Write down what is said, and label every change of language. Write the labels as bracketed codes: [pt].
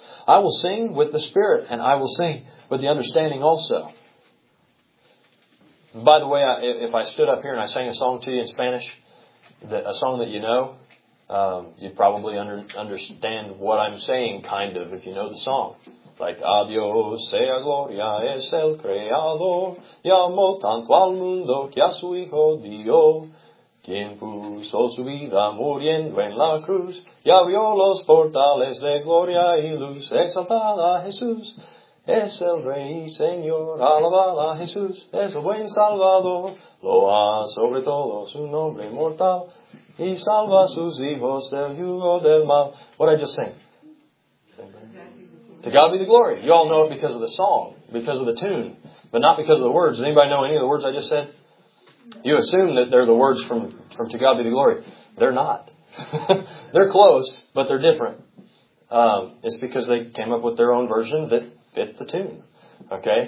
[en] I will sing with the spirit, and I will sing with the understanding also. By the way, if I stood up here and I sang a song to you in Spanish, a song that you know, you'd probably understand what I'm saying, kind of, if you know the song. [es] Like, Adios sea gloria es el creador, llamó tanto al mundo que a su hijo dio, quien puso su vida muriendo en la cruz, ya vio los portales de gloria y luz, exaltada Jesús. Es el Rey Señor, alabada Jesús, es el buen Salvador, loa sobre todo su nombre mortal, y salva sus hijos del yugo del mal. [en] What did I just sing? To God be the glory. You all know it because of the song, because of the tune, but not because of the words. Does anybody know any of the words I just said? You assume that they're the words from To God be the glory. They're not. They're close, but they're different. It's because they came up with their own version that fit the tune. Okay?